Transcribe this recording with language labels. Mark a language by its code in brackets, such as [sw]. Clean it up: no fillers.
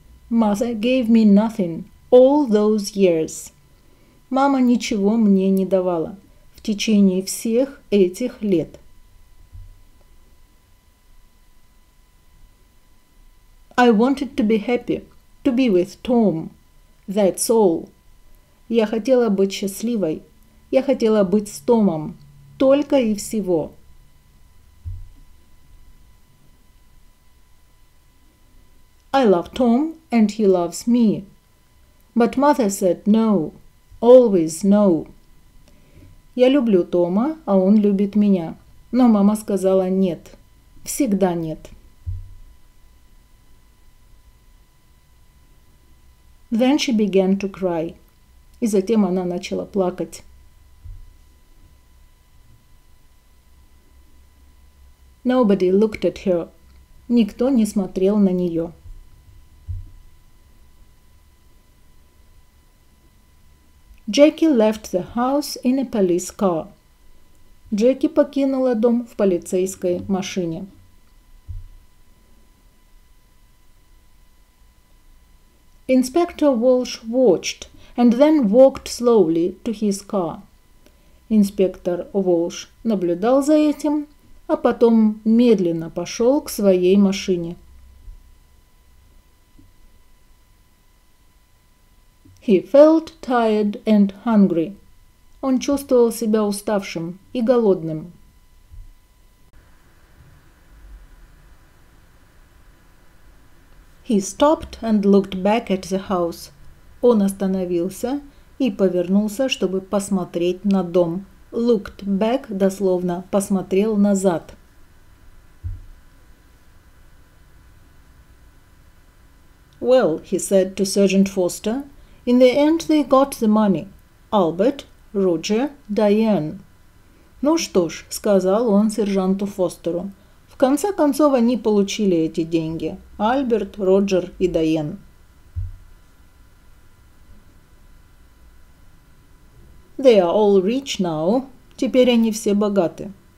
[en] Mother gave me nothing all those years. [ru] Мама ничего мне не давала в течение всех этих лет. [en] I wanted to be happy, to be with Tom. That's all. [ru] Я хотела быть счастливой. Я хотела быть с Томом. Только и всего. [en] I love Tom, and he loves me. But mother said no. Always no. [ru] Я люблю Тома, а он любит меня. Но мама сказала нет. Всегда нет. [en] Then she began to cry. [ru] И затем она начала плакать. [en] Nobody looked at her. [ru] Никто не смотрел на нее. [en] Jackie left the house in a police car. [ru] Джеки покинула дом в полицейской машине. [en] Inspector Walsh watched. And then walked slowly to his car. [ru] Инспектор Волш наблюдал за этим, а потом медленно пошел к своей машине. [en] He felt tired and hungry. [ru] Он чувствовал себя уставшим и голодным. [en] He stopped and looked back at the house. [ru] Он остановился и повернулся, чтобы посмотреть на дом. [en] Looked back, [ru] дословно, посмотрел назад. [en] Well, he said to Sergeant Foster, in the end they got the money. Albert, Roger, Diane. [ru] Ну что ж, сказал он сержанту Фостеру. В конце концов они получили эти деньги. Альберт, Роджер и Дайен. [en] They are all rich now. [ru] Теперь они все богаты.